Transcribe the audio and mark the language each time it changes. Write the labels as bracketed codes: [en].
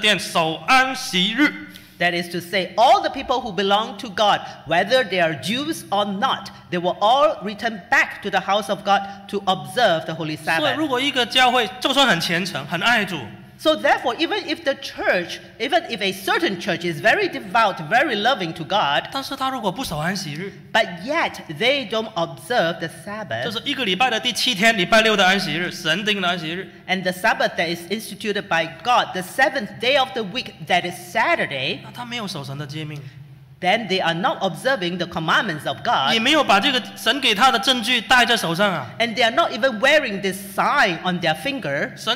[zh] 真正属于神的人，包括犹太人，包括外邦人，要在神的殿守安息日。That [en] is to say, all the people who belong to God, whether they are Jews or not, they will all return back to the house of God to observe the Holy Sabbath. [zh] 所以，如果一个教会就算很虔诚，很爱主。 [en] So therefore, even if the church, even if a certain church is very devout, very loving to God, [zh] 但是他如果不守安息日, [en] but yet they don't observe the Sabbath, [zh] 就是一个礼拜的第七天，礼拜六的安息日，神定的安息日, [en] and the Sabbath that is instituted by God, the seventh day of the week, that is Saturday, [zh] 那他没有守神的诫命, [en] then they are not observing the commandments of God, [zh] 也没有把这个神给他的证据戴在手上啊, [en] and they are not even wearing this sign on their finger,